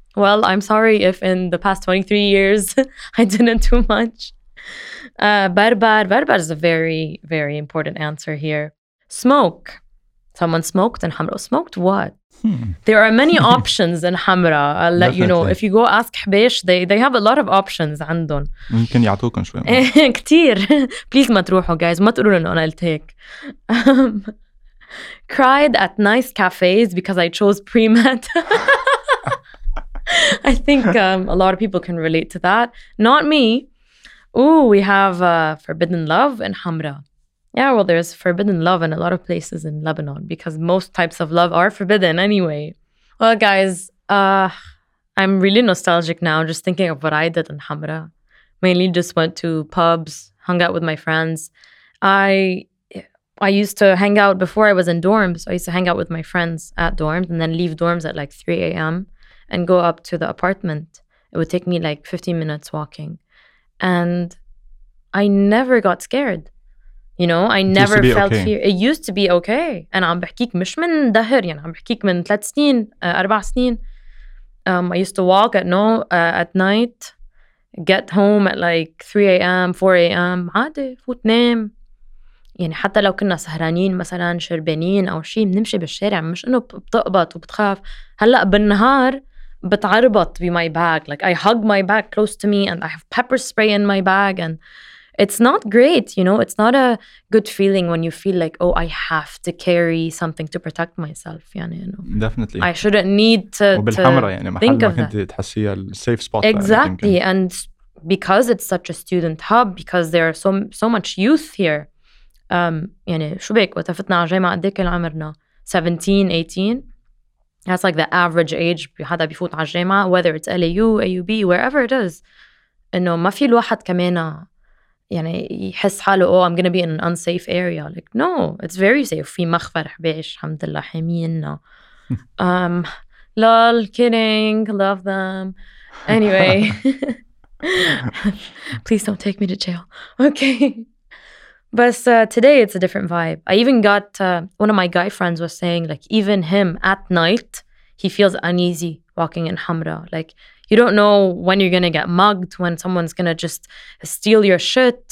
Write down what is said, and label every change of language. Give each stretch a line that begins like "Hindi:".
English: Well, I'm sorry if in the past 23 years I didn't do much. Barbar is a very, very important answer here. Smoke. Someone smoked in Hamra. Smoked what? Hmm. There are many options in Hamra. I'll let definitely. You know. If you go ask Hbeish, they have a lot of options.
Arabic: عندهم. ممكن يعطوكم شوية. كتير.
English: Please
Arabic: ما تروحوا,
English: guys.
Arabic: ما تقولوا لنا أنا التيك.
English: Cried at nice cafes because I chose pre-med. I think a lot of people can relate to that. Not me. Ooh, we have forbidden love in Hamra. Yeah, well, there's forbidden love in a lot of places in Lebanon because most types of love are forbidden anyway. Well, guys, I'm really nostalgic now just thinking of what I did in Hamra. Mainly just went to pubs, hung out with my friends. I used to hang out before I was in dorms. I used to hang out with my friends at dorms and then leave dorms at like 3 a.m. and go up to the apartment. It would take me like 15 minutes walking. And I never got scared. You know, I never felt okay. Fear. It used to be okay. And I'm
Arabic: بحكيك مش من دهر, يعني
English: I'm
Arabic: بحكيك من 3 سنين, 4 سنين.
English: I used to walk at night, get home at like 3 a.m., 4 a.m.
Arabic: عادي, فوت نام. يعني حتى لو كنا سهرانين مثلا, شربانين أو شيء, بنمشي بالشارع, مش إنه بتقبط وبتخاف. هلأ بالنهار بتعربط بمي باك.
English: Like I hug my bag close to me and I have pepper spray in my bag and... It's not great, you know, it's not a good feeling when you feel like, oh, I have to carry something to protect myself,
Arabic: يعني,
English: you know. Definitely. I shouldn't need to think of that.
Arabic: وبالحمرة يعني محل ما كنت تحسيها السيف سبوت.
English: Exactly, and because it's such a student hub, because there are so much youth here,
Arabic: يعني شو بيك وتفتنا على جامعة ديك العمرنا,
English: 17, 18, that's like the average age
Arabic: حدا بيفوت على جامعة,
English: whether it's LAU, AUB, wherever it is, you know,
Arabic: ما في الواحد كمان يعني يحس حاله
English: oh I'm gonna be in an unsafe area, like no, it's very safe.
Arabic: في مخفر حبيش الحمد لله حامينا.
English: Lol, kidding, love them anyway. Please don't take me to jail. Okay, but today it's a different vibe. I even got one of my guy friends was saying like even him at night he feels uneasy walking in Hamra, like you don't know when you're gonna get mugged, when someone's gonna just steal your shit.